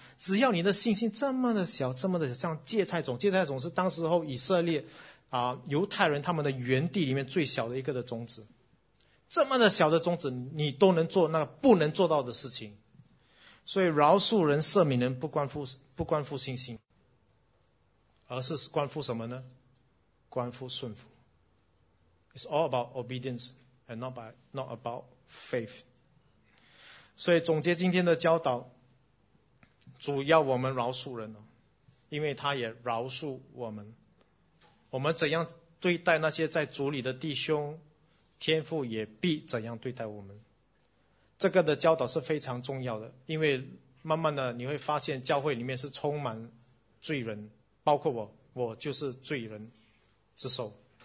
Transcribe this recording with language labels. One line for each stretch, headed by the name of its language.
Chinese: 只要你的信心这么的小，这么的小，像芥菜种。芥菜种是当时候以色列犹太人他们的原地里面最小的一个的种子，这么的小的种子，你都能做那个不能做到的事情。所以饶恕人、赦免人不关乎信心，而是关乎什么呢？关乎顺服。
English: It's all about obedience and not about faith.
Chinese: 所以总结今天的教导，主要我们饶恕人，因为他也饶恕我们。我们怎样对待那些在主里的弟兄，天父也必怎样对待我们。这个的教导是非常重要的，因为慢慢的你会发现教会里面是充满罪人，包括我，我就是罪人之首。